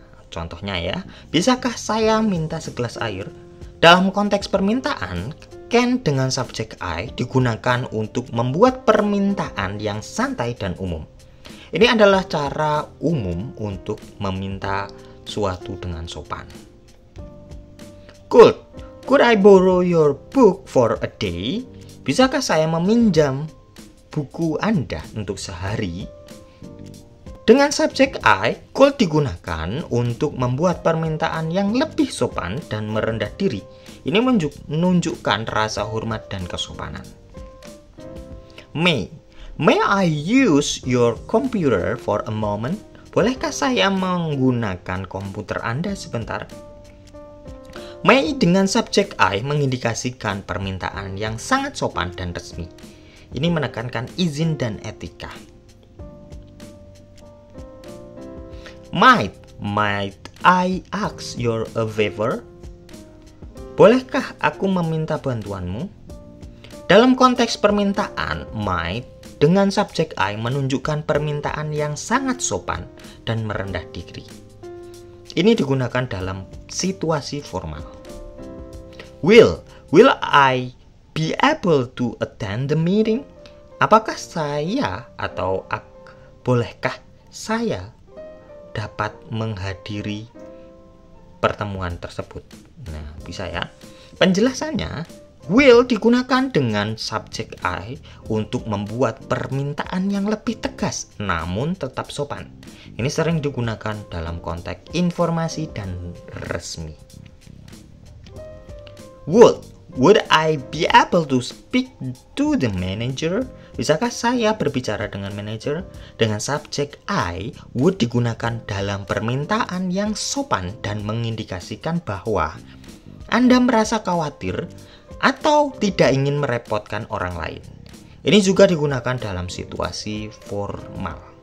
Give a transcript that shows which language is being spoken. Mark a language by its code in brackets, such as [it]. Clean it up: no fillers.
[id] Contohnya ya, bisakah saya minta segelas air? Dalam konteks permintaan, can dengan subjek I digunakan untuk membuat permintaan yang santai dan umum. Ini adalah cara umum untuk meminta suatu dengan sopan. [en] Could I borrow your book for a day? [id] Bisakah saya meminjam buku Anda untuk sehari? Dengan subjek I, could digunakan untuk membuat permintaan yang lebih sopan dan merendah diri. Ini menunjukkan rasa hormat dan kesopanan. [en] May I use your computer for a moment? [id] Bolehkah saya menggunakan komputer Anda sebentar? May dengan subjek I mengindikasikan permintaan yang sangat sopan dan resmi. Ini menekankan izin dan etika. [en] Might I ask your a favor? [id] Bolehkah aku meminta bantuanmu? Dalam konteks permintaan, my dengan subjek I menunjukkan permintaan yang sangat sopan dan merendah diri. Ini digunakan dalam situasi formal. [en] Will I be able to attend the meeting? [id] Apakah saya atau bolehkah saya dapat menghadiri pertemuan tersebut? Nah, bisa ya. Penjelasannya, will digunakan dengan subjek I untuk membuat permintaan yang lebih tegas, namun tetap sopan. Ini sering digunakan dalam konteks informasi dan resmi. [en] Would I be able to speak to the manager? [id] Bisakah saya berbicara dengan manager? Dengan subjek I, would digunakan dalam permintaan yang sopan dan mengindikasikan bahwa Anda merasa khawatir atau tidak ingin merepotkan orang lain. Ini juga digunakan dalam situasi formal.